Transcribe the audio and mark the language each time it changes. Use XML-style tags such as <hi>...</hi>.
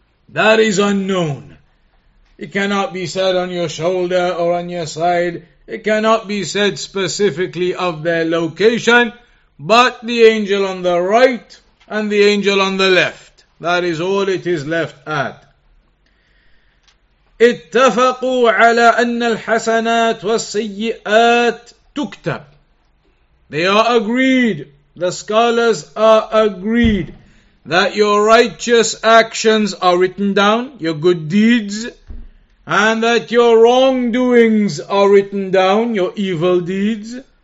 <en>That is unknown. It cannot be said on your shoulder or on your side. It cannot be said specifically of their location, but the angel on the right and the angel on the left. That is all it is left at.</en> <ar>اتفقوا على أن الحسنات والسيئات تكتب.</ar> <en>They are agreed. The scholars are agreed that your righteous actions are written down, your good deeds, and that your wrongdoings are written down, your evil deeds.</en>